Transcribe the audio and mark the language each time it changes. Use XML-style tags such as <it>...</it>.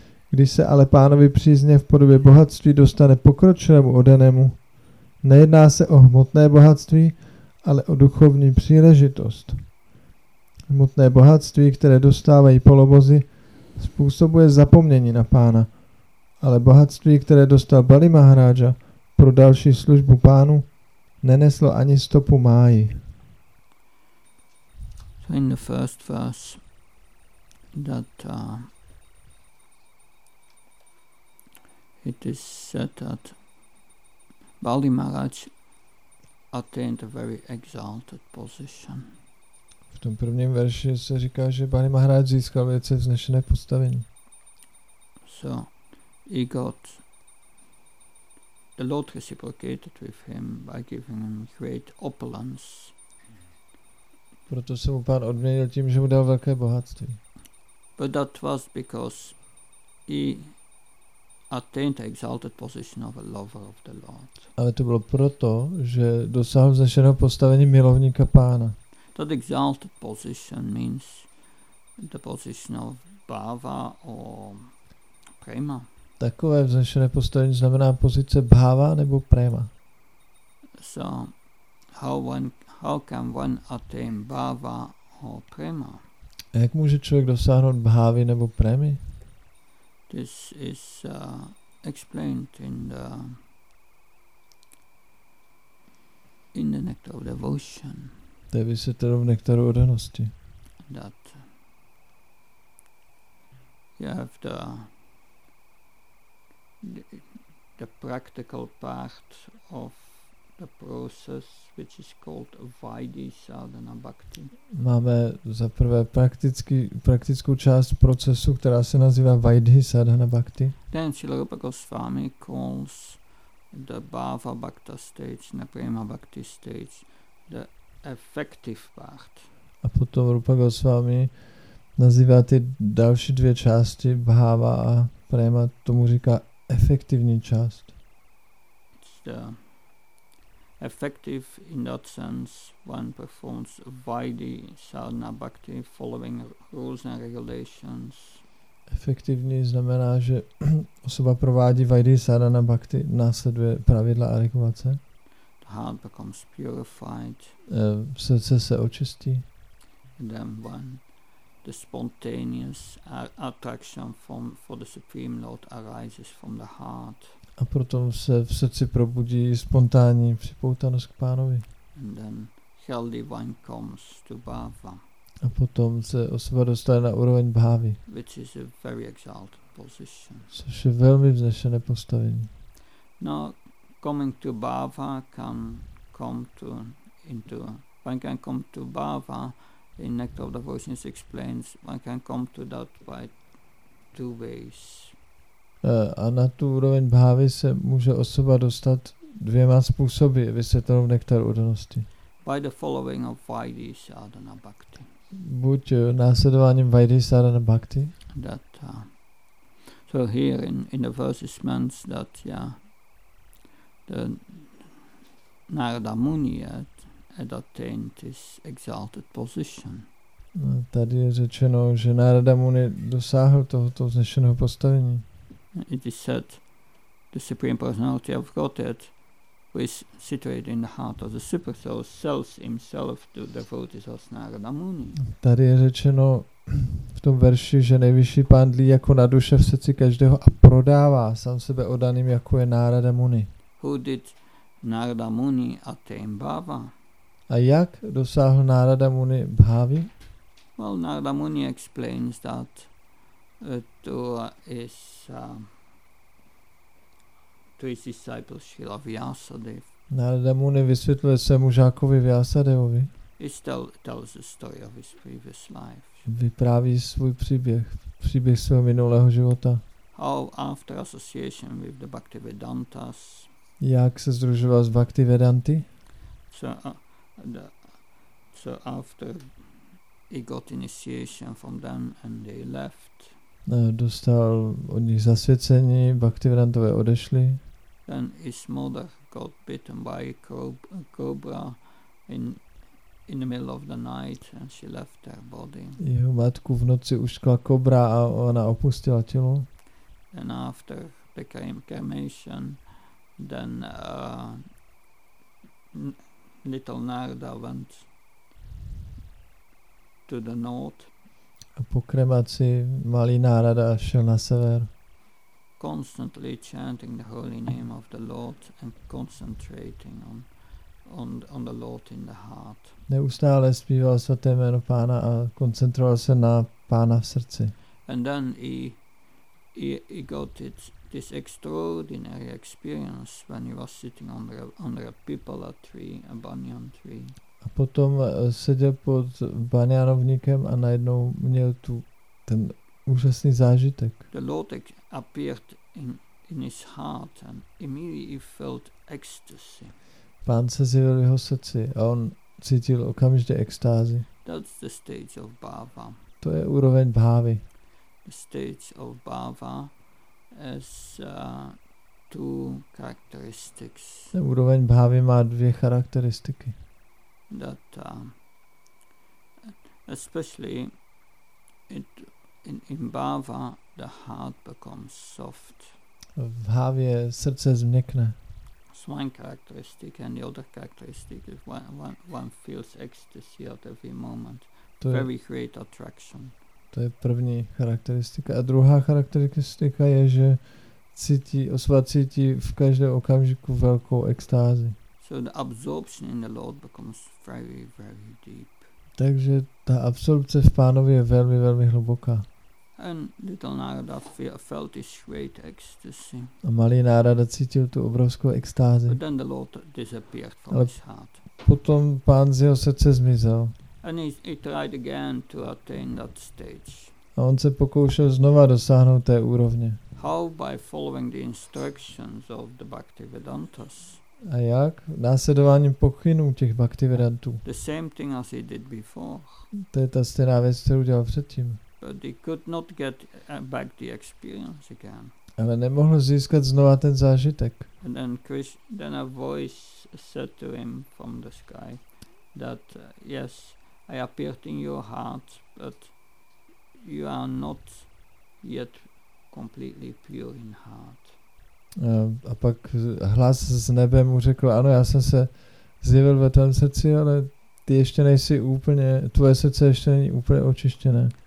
<cs>Když se ale pánovi přízně v podobě bohatství dostane pokročilému oddanému, nejedná se o hmotné bohatství, ale o duchovní příležitost. Hmotné bohatství, které dostávají polobozy, způsobuje zapomnění na pána, ale bohatství, které dostal Bali Maharaja pro další službu pánu, neneslo ani stopu máji.</cs> <en>So in the first verse that it is said that Bali Maharaj attained a very exalted position.</en> <cs>V tom prvním verši se říká, že Bali Maharaj získal velice vznešené postavení.</cs> <en>So he got the Lord reciprocated with him by giving him great opulence.</en> <cs>Proto se mu pán odměnil tím, že mu dal velké bohatství.</cs> <en>But that was because he attained the exalted position of a lover of the Lord.</en> <cs>Ale to bylo proto, že dosáhl vznešeného postavení milovníka pána.</cs> <en>That exalted position means the position of bhava or prema.</en> <cs>Takové vznešené postavení znamená pozice bhava nebo prema.</cs> <en>So how can one attain bhava or prema?</en> <cs>A jak může člověk dosáhnout bhavy nebo premy?</cs> <en>This is explained in the nectar of devotion.</en> <cs>To je vysvětleno v nektaru oddanosti.</cs> <en>That you have the practical part of the process, which is called Vaidhi Sadhana Bhakti.</en> <cs>Máme za prvé praktickou část procesu, která se nazývá Vaidhi Sadhana Bhakti.</cs> <en>Then Srila Rupa Goswami calls the Bhava Bhakta stage, the Prema Bhakti stage, the effective part.</en> <cs>A potom Rupa Goswami nazývá ty další dvě části bhava a prema, tomu říká efektivní část.</cs> <en>Effective in that sense, one performs vaidhi sadhana bhakti following rules and regulations.</en> <cs>Efektivní znamená, že osoba provádí vaidhi sadhana bhakti, následuje pravidla a regulace.</cs> <en>The heart becomes purified.</en> <cs>Srdce se očistí.</cs> <en>Then one, the spontaneous attraction for the Supreme Lord arises from the heart.</en> <cs>A proto se v srdci probudí spontánní připoutanost k pánovi.</cs> <en>And then healthy one comes to bhava.</en> <cs>A potom se osoba dostane na úroveň bhávy.</cs> <en>Which is a very exalted position.</en> <cs>Což je velmi vznešené postavení.</cs> <en>Now, coming to bhava can come to into one can come to bhava in Nectar of Devotions explains one can come to that by two ways.</en> <cs>A na tu úroveň bhávy se může osoba dostat dvěma způsoby, vysvětlenou v Nektaru odanosti.</cs> <en>By the following of vaidhi sadhana bhakti.</en> <cs>Buď následováním vaidhi sadhana bhakti.</cs> <en>That, so here in the verses means that yeah, the Narada Muni had attained his exalted position.</en> <cs>A tady je řečeno, že Narada Muni dosáhl tohoto vznešeného postavení.</cs> <en>It is said the Supreme Personality of Godhead, who is situated in the heart of the super soul, sells himself to devotees of Narada Muni.</en> <cs>Tady je řečeno v tom verši, že nejvyšší pán dlí jako na duše v srdci každého a prodává sám sebe odaným, jako je Narada Muni.</cs> <en>Who did Narada Muni attain bhava?</en> <cs>A jak dosáhl Narada Muni bhavy?</cs> <en>Well, Narada Muni explains that to his disciple Śrīla Vyāsadeva.</en> <cs>Narada Muni vysvětluje svému žákovi Vyāsadevovi.</cs> <en>Tells the story of his previous life.</en> <cs>Vypráví svůj příběh svého minulého života.</cs> <en>How after association with the Bhaktivedantas.</en> <cs>Jak se združoval s Bhaktivedanty?</cs> <en>So after he got initiation from them and they left.</en> <cs>Dostal od nich zasvěcení, Bhaktivedantové odešli.</cs> <en>Then his mother got bitten by a cobra in the middle of the night and she left her body.</en> <cs>Jeho matku v noci uštkla kobra a ona opustila tělo.</cs> <en>And after the cremation, then little Narada went to the north.</en> <cs>A po kremaci malý Narada šel na sever.</cs> <en>Constantly chanting the holy name of the Lord and concentrating on the Lord in the heart.</en> <cs>Neustále zpíval svaté jméno pána a koncentroval se na pána v srdci.</cs> <en>And then he got this extraordinary experience when he was sitting under a pipala tree, a banyan tree.</en> <cs>A potom seděl pod baňánovníkem a najednou měl tu ten úžasný zážitek.</cs> <en>The Lord appeared in his heart and immediately felt ecstasy.</en> <cs>Pán se zjevil v jeho srdci a on cítil okamžitě extázi.</cs> <en>That's the stage of bhava.</en> <cs>To je úroveň bhávy.</cs> <en>The stage of bhava is two characteristics.</en> <cs>Ten úroveň bhávy má dvě charakteristiky.</cs> <en>That especially it in bhava the heart becomes soft.</en> <cs>V bhavě srdce změkne.</cs> <en>So one characteristic and the other characteristic is one feels ecstasy at every moment. To very je, great attraction.</en> <cs>To je první charakteristika. A druhá charakteristika je, že osoba cítí v každém okamžiku velkou extázi.</cs> <en>So the absorption in the Lord becomes very, very deep.</en> <cs>Takže ta absorpce v pánovi je velmi, velmi hluboká.</cs> <en>And little Narada felt this great ecstasy.</en> <cs>A malý Narada cítil tu obrovskou extázi.</cs> <en>But then the Lord disappeared from his heart.</en> <cs>Potom pán z jeho srdce zmizel.</cs> <en>And he tried again to attain that stage.</en> <cs>A on se pokoušel znova dosáhnout té úrovně.</cs> <en>How by following the instructions of the Bhaktivedantas?</en> <cs>A jak? Následováním pokynů těch Bhaktivedantů.</cs> <en>The same thing as he did before.</en> <cs>To je ta stejná věc, kterou dělal předtím.</cs> <en>But he could not get back the experience again.</en> <cs>Ale nemohl získat znova ten zážitek.</cs> <en>And then then a voice said to him from the sky that yes, I appeared in your heart, but you are not yet completely pure in heart.</en> <cs>A pak hlas z nebe mu řekl, ano, já jsem se zjevil ve tvém srdci, ale ty ještě nejsi úplně, tvoje srdce ještě není úplně očištěné.</cs>